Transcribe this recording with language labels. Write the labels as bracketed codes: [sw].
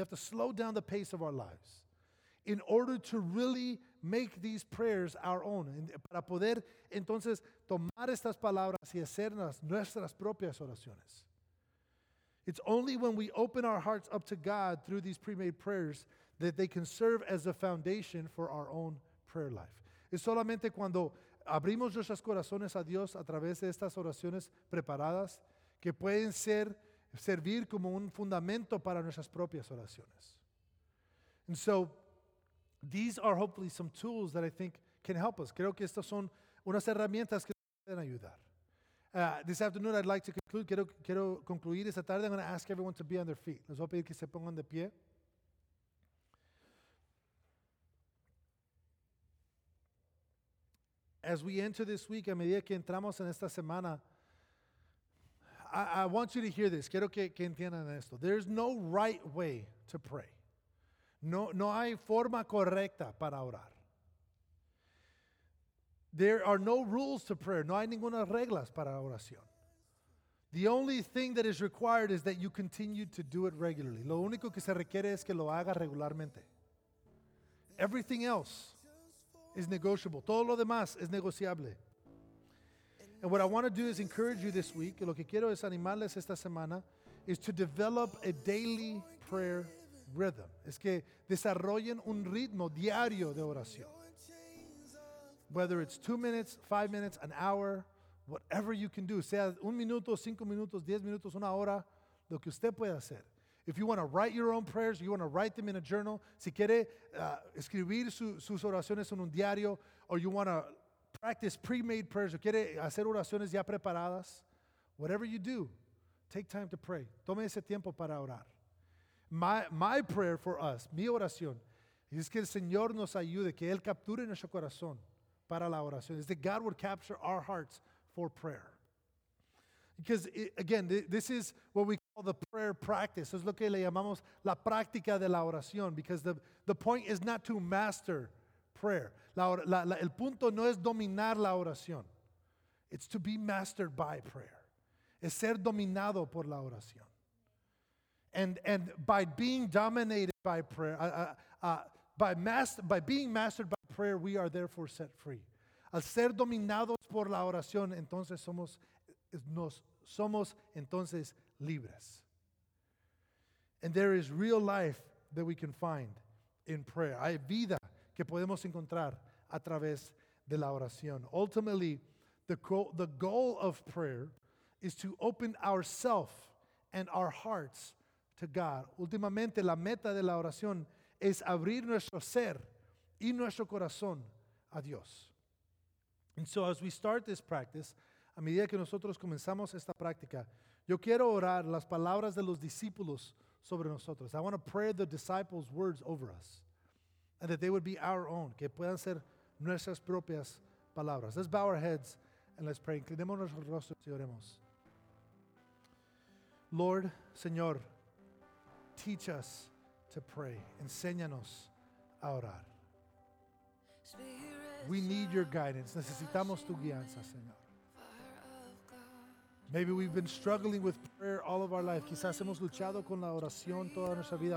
[en] We have to slow down the pace of our lives in order to really make these prayers our own. [es] Para poder entonces tomar estas palabras y hacerlas nuestras propias oraciones. [en] It's only when we open our hearts up to God through these pre-made prayers that they can serve as a foundation for our own prayer life. [es] Es solamente cuando abrimos nuestros corazones a Dios a través de estas oraciones preparadas que pueden servir como un fundamento para nuestras propias oraciones. [en] And so, these are hopefully some tools that I think can help us. [es] Creo que estas son unas herramientas que pueden ayudar. [en] This afternoon, I'd like to conclude. [es] Quiero concluir esta tarde. [en] I'm going to ask everyone to be on their feet. [es] Les voy a pedir que se pongan de pie. [en] as we enter this week, [es] a medida que entramos en esta semana, [en] I want you to hear this. [es] Quiero que entiendan esto. [en] There's no right way to pray. [es] No hay forma correcta para orar. [en] There are no rules to prayer. [es] No hay ninguna reglas para oración. [en] The only thing that is required is that you continue to do it regularly. [es] Lo único que se requiere es que lo haga regularmente. [en] Everything else is negotiable. [es] Todo lo demás es negociable. [en] And what I want to do is encourage you this week, [es] lo que quiero es animarles esta semana, [en] is to develop a daily prayer rhythm. [es] Es que desarrollen un ritmo diario de oración. [en] Whether it's 2 minutes, 5 minutes, an hour, whatever you can do, [es] sea un minuto, 5 minutos, 10 minutos, una hora, lo que usted puede hacer. [en] If you want to write your own prayers, you want to write them in a journal, [es] si quiere escribir sus oraciones en un diario, [en] or you want to practice pre-made prayers, [es] o quiere hacer oraciones ya preparadas, [en] whatever you do, take time to pray. [es] Tome ese tiempo para orar. [en] My prayer for us, [es] mi oración, es que el Señor nos ayude, que Él capture nuestro corazón para la oración. [en] Is that God would capture our hearts for prayer. Because, again, this is what we call the prayer practice. [es] Es lo que le llamamos la práctica de la oración. [en] Because the point is not to master prayer. [es] El punto no es dominar la oración. [en] It's to be mastered by prayer. [es] Es ser dominado por la oración. [en] And by being dominated by prayer, by being mastered by prayer, we are therefore set free. [es] Al ser dominados por la oración, entonces somos entonces libres. [en] And there is real life that we can find in prayer. [es] Hay vida que podemos encontrar a través de la oración. [en] Ultimately, the goal of prayer is to open ourselves and our hearts to God. [es] Últimamente, la meta de la oración es abrir nuestro ser y nuestro corazón a Dios. [en] And so as we start this practice, [es] a medida que nosotros comenzamos esta práctica, yo quiero orar las palabras de los discípulos sobre nosotros. [en] I want to pray the disciples' words over us, and that they would be our own, [es] que puedan ser nuestras propias palabras. [en] Let's bow our heads and let's pray. [es] Inclinemos nuestros rostros y oremos. [en] Lord, Señor, teach us to pray. [es] Enséñanos a orar. [en] We need your guidance. [es] Necesitamos tu guianza, Señor. [en] Maybe we've been struggling with prayer all of our life. [es] Quizás hemos luchado con la oración toda nuestra vida.